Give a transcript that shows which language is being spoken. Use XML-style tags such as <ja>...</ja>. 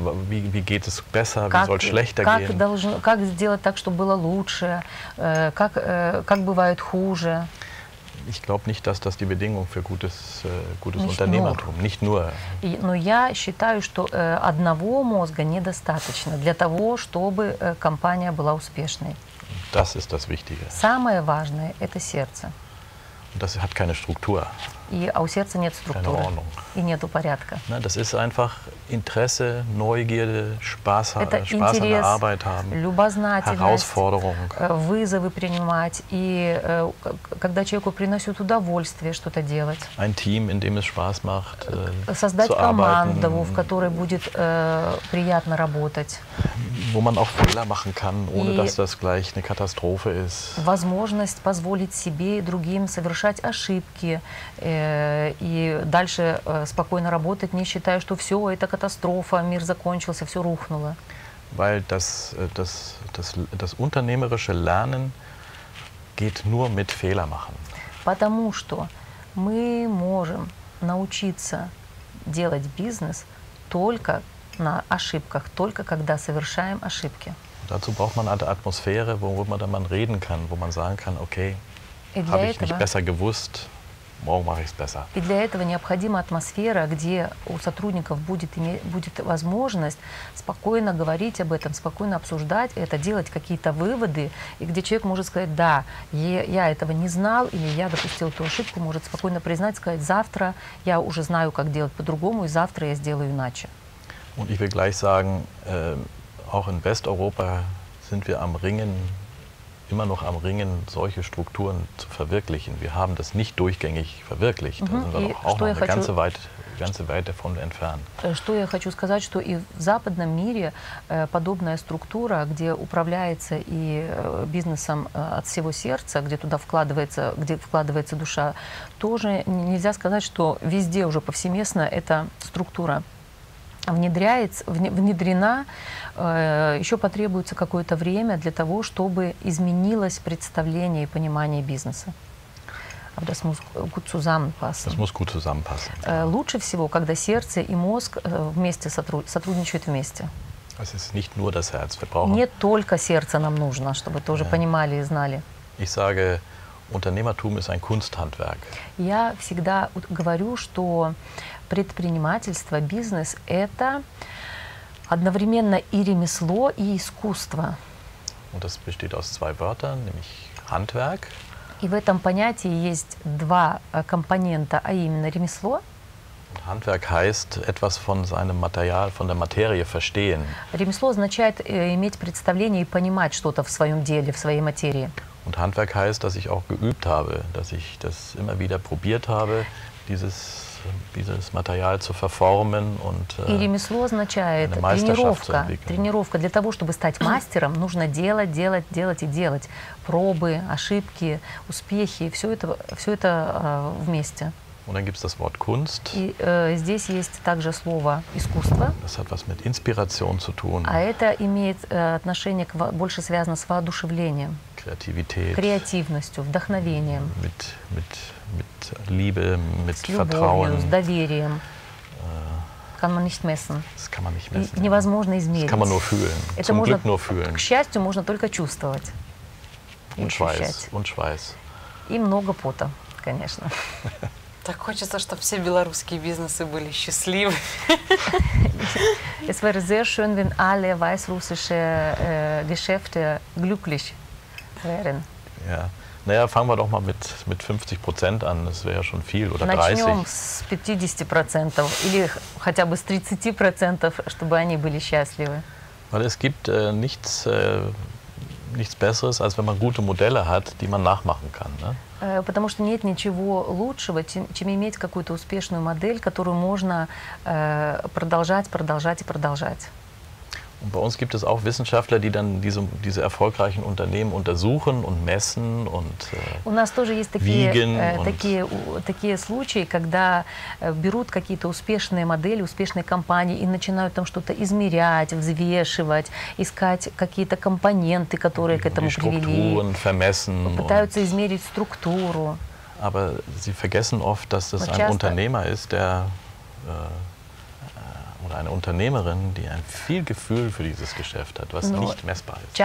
<de>Wie geht es besser,</de> <ru>как,</ru> <de>wie soll es schlechter</de> <ru>как</ru> <de>gehen?</de> <ru>Должно, как сделать так, чтобы было лучше, как бывает хуже?</ru> <de>Ich glaube nicht, dass das die Bedingung für gutes nicht Unternehmertum, nur. Nicht nur.</de> <ru>Но я считаю, что одного мозга недостаточно для того, чтобы компания была успешной.</ru> <de>Das ist das Wichtige.</de> <ru>Самое важное – это сердце.</ru> <de>Und das hat keine Struktur.</de> <ru>И а у сердца нет структуры. И нету порядка.</ru> <de>Nein, das ist einfach Interesse, Neugierde, Spaß</de> <ru>интерес,</ru> <de>an der Arbeit haben,</de> <ru>любознательность,</ru> <de>Herausforderung.</de> <ru>Вызовы принимать. И когда человеку приносит удовольствие что-то делать.</ru> <de>Ein Team, in dem es Spaß macht,</de> <ru>создать команду, в которой будет приятно работать.</ru> <de>Wo man auch Fehler machen kann, ohne dass das gleich eine Katastrophe ist.</de> <ru>Возможность позволить себе и другим совершать ошибки и дальше спокойно работать, не считая, что все, это катастрофа, мир закончился, все рухнуло.</ru> <de>Weil das unternehmerische Lernen geht nur mit Fehler machen.</de> <ru>Потому что мы можем научиться делать бизнес только на ошибках, только когда совершаем ошибки.</ru> <de>Dazu braucht man eine Atmosphäre, wo man reden kann, wo man sagen kann, okay, habe ich nicht besser gewusst.</de> <ru>И для этого необходима атмосфера, где у сотрудников будет возможность спокойно говорить об этом, спокойно обсуждать это, делать какие-то выводы, и где человек может сказать, да, я этого не знал, или я допустил эту ошибку, может спокойно признать, сказать, завтра я уже знаю, как делать по-другому, и завтра я сделаю иначе.</ru> <de>Und ich will gleich sagen, auch in Westeuropa sind wir am Ringen, immer noch am Ringen, solche Strukturen zu verwirklichen. Wir haben das nicht durchgängig verwirklicht. Mm-hmm. Da sind wir auch noch eine ganze Weite davon entfernt.</de> <ru>Что я хочу сказать, что и в западном мире подобная структура, где управляется и бизнесом от всего сердца, где вкладывается душа, тоже нельзя сказать, что везде уже повсеместно эта структура внедрена, еще потребуется какое-то время для того, чтобы изменилось представление и понимание бизнеса.</ru> <de>Das muss gut zusammenpassen. Das muss gut zusammenpassen.</de> <ru>Лучше всего, когда сердце и мозг вместе сотрудничают вместе.</ru> <de>Es ist nicht nur das Herz. Wir brauchen...</de> <ru>Не только сердце нам нужно, чтобы тоже понимали и знали.</ru> <de>Ich sage, Unternehmertum ist ein Kunsthandwerk.</de> <ru>Я всегда говорю, что предпринимательство, бизнес – это одновременно и ремесло, и искусство.</ru> <de>Und das besteht aus zwei Wörtern, nämlich Handwerk.</de> <ru>И в этом понятии есть два компонента, а именно ремесло.</ru> <de>Und Handwerk heißt etwas von seinem Material, von der Materie verstehen.</de> <ru>Ремесло означает иметь представление и понимать что-то в своем деле, в своей материи.</ru> <de>Und Handwerk heißt, dass ich auch geübt habe, dass ich das immer wieder probiert habe, dieses Material zu verformen und</de> <ru>ремесло означает тренировка, тренировка для того, чтобы стать мастером, нужно делать, делать, делать и делать, пробы, ошибки, успехи, все это вместе.</ru> <de>Und dann gibt's das Wort Kunst.</de> <ru>И здесь есть также слово искусство.</ru> <de>Das hat was mit Inspiration zu tun.</de> <ru>А это имеет отношение к больше связано с воодушевлением.</ru> <de>Kreativität.</de> <ru>Креативностью, вдохновением.</ru> <de>Mit Liebe, mit</de> <ru>с любовью,</ru> <de>Vertrauen.</de> <ru>С доверием.</ru> <de>Kann man nicht messen. Das kann man nicht messen.</de> <ru>Невозможно измерить.</ru> <de>Das kann man nur fühlen.</de> <ru>Это</ru> <de>Zum</de> <ru>можно,</ru> <de>Glück nur fühlen.</de> <ru>К счастью, можно только чувствовать.</ru> <de>Und Schweiß.</de> <ru>И много пота, конечно. Так хочется, чтобы все белорусские бизнесы были счастливы.</ru> <de>Es wäre sehr schön, wenn alle weißrussische Geschäfte glücklich wären. Ja, naja, fangen wir doch mal mit 50% an, das wäre ja schon viel, oder 30%.</de> <ru>Начнем с 50% или хотя бы с 30%, чтобы они были счастливы.</ru> <de>Weil es gibt nichts Besseres, als wenn man gute Modelle hat, die man nachmachen kann, ne?</de> <ru>Потому что нет ничего лучшего, чем иметь какую-то успешную модель, которую можно продолжать, продолжать и продолжать.</ru> <de>Und bei uns gibt es auch Wissenschaftler, die dann diese erfolgreichen Unternehmen untersuchen und messen und</de> <ru>у нас тоже есть такие случаи, когда берут какие-то успешные модели, успешные компании и начинают там что-то измерять, взвешивать, искать какие-то компоненты, которые к этому привели.</ru> <de>Die Strukturen vermessen.</de> <ru>Пытаются измерить структуру.</ru> <de>Aber sie vergessen oft, dass das ein Unternehmer ist, der oder eine Unternehmerin, die ein viel Gefühl für dieses Geschäft hat, was nicht messbar ist.</de>